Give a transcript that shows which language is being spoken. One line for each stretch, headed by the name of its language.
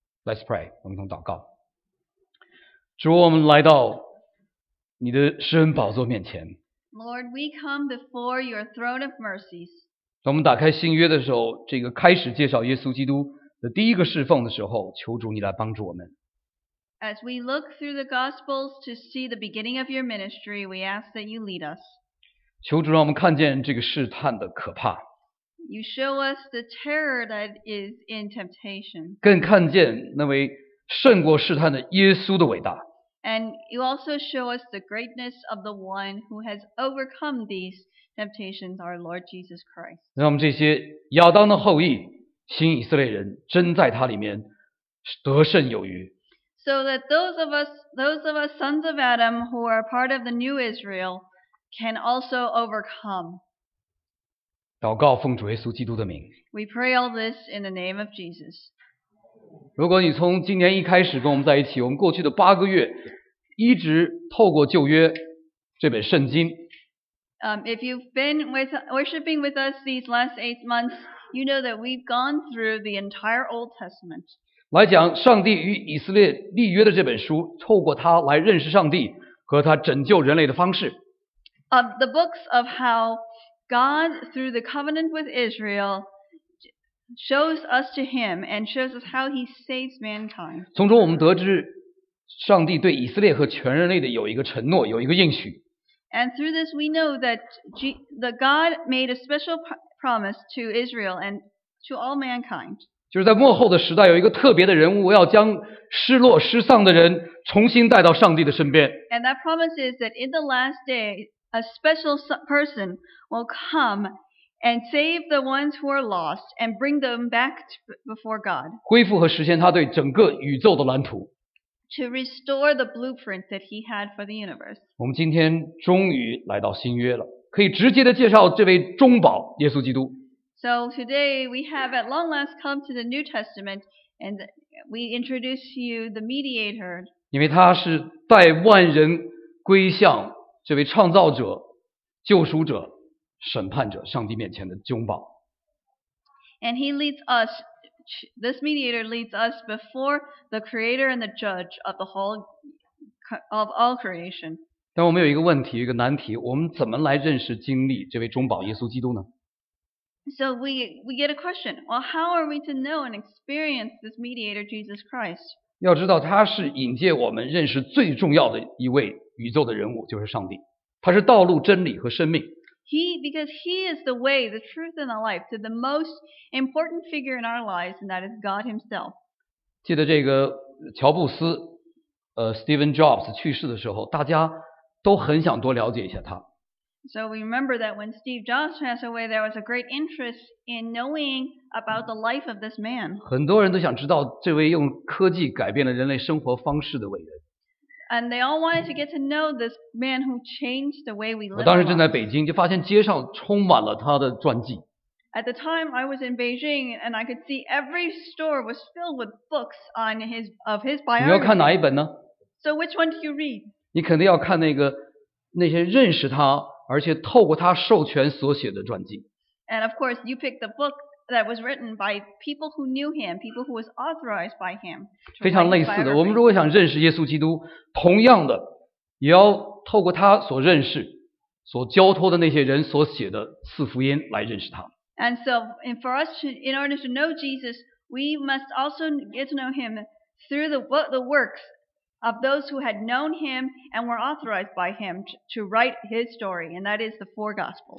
English: Let's pray，
Chinese: 我们同祷告。主，我们来到你的施恩宝座面前。
English: Lord， we come before your throne of mercies。
Chinese: 当我们打开新约的时候，这个开始介绍耶稣基督的第一个侍奉的时候，求主你来帮助我们。
English: As we look through the Gospels to see the beginning of your ministry, we ask that you lead us.
Chinese: 求主让我们看见这个试探的可怕。
English: You show us the terror that is in temptation.
Chinese: 更看见那位胜过试探的耶稣的伟大。
English: And you also show us the greatness of the one who has overcome these temptations, our Lord Jesus Christ.
Chinese: 让我们这些亚当的后裔，新以色列人，真在他里面得胜有余。
English: So that those of us sons of Adam who are part of the new Israel can also overcome.
Chinese: 祷告奉主耶稣基督的名。
English: We pray all this in the name of Jesus.
Chinese: 如果你从今年一开始跟我们在一起，我们过去的八个月一直透过旧约这本圣经。
English: If you've been with worshiping with us these last 8 months, you know that we've gone through the entire Old Testament.
Chinese: 来讲上帝与以色列立约的这本书，透过它来认识上帝和他拯救人类的方式。
English: The books of how God through the covenant with Israel shows us to him and shows us how he saves mankind.
Chinese: 从中我们得知上帝对以色列和全人类的有一个承诺，有一个应许。
English: And through this we know that the God made a special promise to Israel and to all mankind.
Chinese: 就是在末后的时代，有一个特别的人物要将失落失丧的人重新带到上帝的身边。
English: And that promise is that in the last day, a special person will come and save the ones who are lost and bring them back before God.
Chinese: 恢复和实现他对整个宇宙的蓝图。
English: To restore the blueprint that he had for the universe.
Chinese: 我们今天终于来到新约了，可以直接的介绍这位中保耶稣基督。
English: So today we have at long last come to the New Testament and we introduce to you the mediator.
Chinese: 因为他是带万人归向这位创造者、救赎者、审判者上帝面前的中保。
English: And he leads us, this mediator leads us before the creator and the judge of the whole, of all creation.
Chinese: 但我们有一个问题，一个难题，我们怎么来认识经历这位中保耶稣基督呢？
English: So we get a question. Well, how are we to know and experience this mediator, Jesus Christ?
Chinese: 要知道他是引介我们认识最重要的一位宇宙的人物，就是上帝。他是道路、真理和生命。
English: Because he is the way, the truth, and the life to the most important figure in our lives, and that is God himself.
Chinese: 记得这个乔布斯，Steve Jobs 去世的时候，大家都很想多了解一下他。
English: So we remember that when Steve Jobs passed away, there was a great interest in knowing about the life of this man.
Chinese: 很多人都想知道这位用科技改变了人类生活方式的伟人。
English: And they all wanted to get to know this man who changed the way we live.
Chinese: 我当时正在北京，就发现街上充满了他的传记。
English: At the time, I was in Beijing, and I could see every store was filled with books on his biography.
Chinese: 你要看哪一本呢？
English: So which one do you read?
Chinese: 你肯定要看那些认识他。而且透过他授权所写的传记。
English: And of course, you picked the book that was written by people who knew him, people who was authorized by him.
Chinese: 非常类似的，我们如果想认识耶稣基督，同样的，也要透过他所认识、所交托的那些人所写的四福音来认识他。
English: And so, and for us, in order to know Jesus, we must also get to know him through the works. Of those who had known him and were authorized by him to write his story, and that is the four gospels.